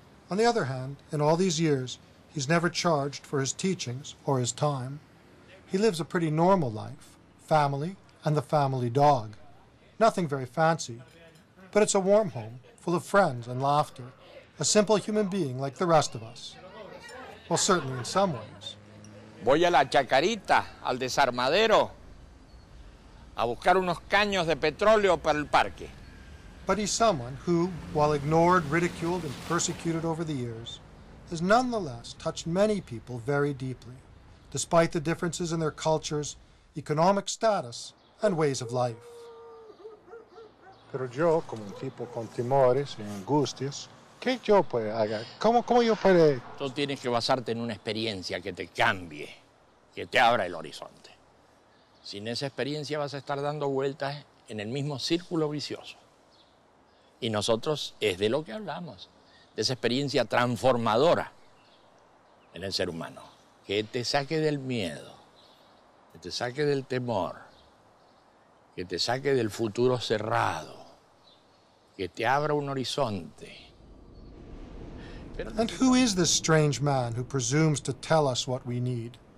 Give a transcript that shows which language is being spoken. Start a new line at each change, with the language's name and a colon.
English: On the other hand, in all these years, he's never charged for his teachings or his time. He lives a pretty normal life, family and the family dog. Nothing very fancy, but it's a warm home full of friends and laughter. A simple human being like the rest of us. Well, certainly in some ways.
Spanish: Voy a la chacarita, al desarmadero, a buscar unos caños de petróleo para el parque.
English: But he's someone who, while ignored, ridiculed, and persecuted over the years, has nonetheless touched many people very deeply, despite the differences in their cultures, economic status, and ways of life.
Spanish: Pero yo, como un tipo con timores y angustias, ¿qué yo puedo hacer? ¿Cómo yo puedo...? Tú tienes que basarte en una experiencia que te cambie, que te abra el horizonte. Sin esa experiencia vas a estar dando vueltas en el mismo círculo vicioso. Y nosotros es de lo que hablamos, de esa experiencia transformadora en el ser humano, que te saque del miedo, que te saque del temor, que te saque del futuro cerrado, que te abra un horizonte.
English: And who is this strange man who presumes to tell us what we need?